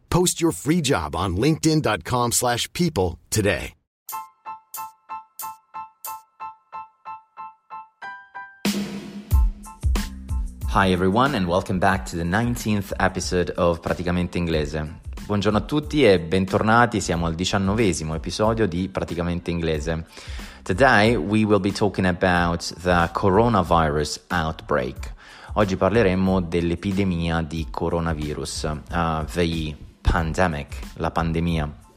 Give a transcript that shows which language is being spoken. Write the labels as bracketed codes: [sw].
[en] Post your free job on linkedin.com/people today. Hi everyone and welcome back to the 19th episode of Praticamente Inglese. [it] Buongiorno a tutti e bentornati, siamo al 19th episodio di Praticamente Inglese. [en] Today we will be talking about the coronavirus outbreak. [it] Oggi parleremo dell'epidemia di coronavirus, [en] the pandemic, [it] la pandemia.